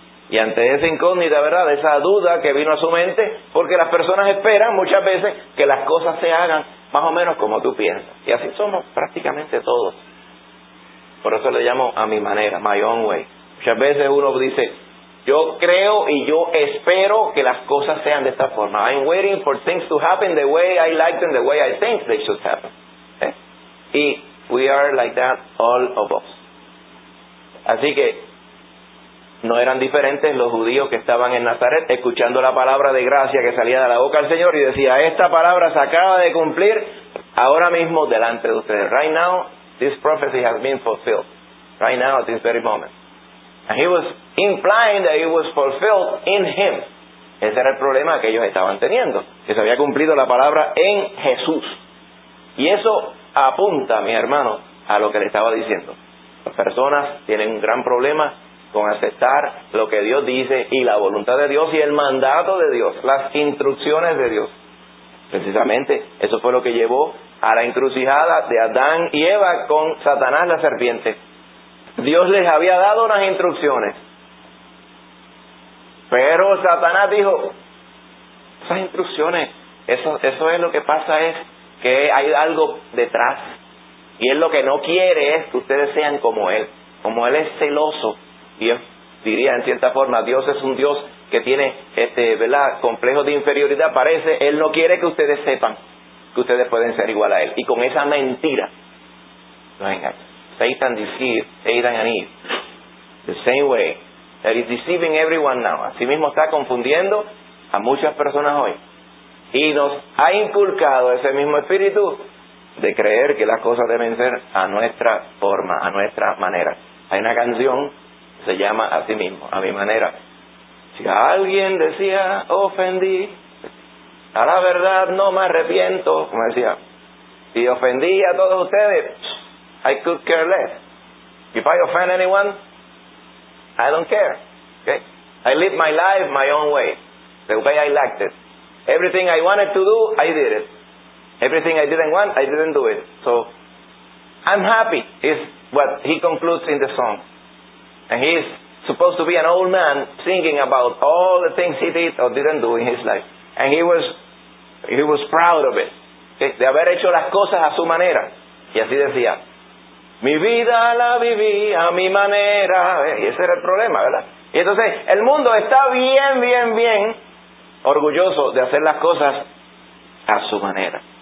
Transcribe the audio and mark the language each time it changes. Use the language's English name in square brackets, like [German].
[Spanish] Y ante esa incógnita, ¿verdad? Esa duda que vino a su mente, porque las personas esperan muchas veces que las cosas se hagan más o menos como tú piensas. Y así somos prácticamente todos. Por eso le llamo a mi manera, [English] my own way. [Spanish] Muchas veces uno dice, Yo creo y yo espero que las cosas sean de esta forma. [English] I'm waiting for things to happen the way I like them, the way I think they should happen. Okay? [Spanish] Y [English] we are like that, all of us. [Spanish] Así que no eran diferentes los judíos que estaban en Nazaret escuchando la palabra de gracia que salía de la boca del Señor y decía, esta palabra se acaba de cumplir ahora mismo delante de ustedes. [English] Right now, this prophecy has been fulfilled. Right now, at this very moment. And he was implying that it was fulfilled in him. [Spanish] Ese era el problema que ellos estaban teniendo, que se había cumplido la palabra en Jesús. Y eso apunta, mi hermano, a lo que le estaba diciendo. Las personas tienen un gran problema con aceptar lo que Dios dice y la voluntad de Dios y el mandato de Dios, las instrucciones de Dios. Precisamente eso fue lo que llevó a la encrucijada de Adán y Eva con Satanás la serpiente. Dios les había dado unas instrucciones, pero Satanás dijo, esas instrucciones, eso es lo que pasa, es que hay algo detrás, y él lo que no quiere es que ustedes sean como él es celoso. Y yo diría, en cierta forma, Dios es un Dios que tiene, ¿verdad?, complejos de inferioridad, parece, él no quiere que ustedes sepan que ustedes pueden ser igual a él. Y con esa mentira, no engañan. [English] Satan deceived Adam and Eve. The same way that is deceiving everyone now. [Spanish] Así mismo está confundiendo a muchas personas hoy. Y nos ha inculcado ese mismo espíritu de creer que las cosas deben ser a nuestra forma, a nuestra manera. Hay una canción que se llama así mismo, a mi manera. Si alguien decía, ofendí, a la verdad no me arrepiento. Como decía, si ofendí a todos ustedes, [English] I could care less. If I offend anyone, I don't care. Okay? I live my life my own way, the way I liked it. Everything I wanted to do, I did it. Everything I didn't want, I didn't do it. So, I'm happy, is what he concludes in the song. And he's supposed to be an old man singing about all the things he did or didn't do in his life. And he was proud of it. Okay? [Spanish] De haber hecho las cosas a su manera. Y así decía, mi vida la viví a mi manera. Y ese era el problema, ¿verdad? Y entonces, el mundo está bien, bien, bien orgulloso de hacer las cosas a su manera.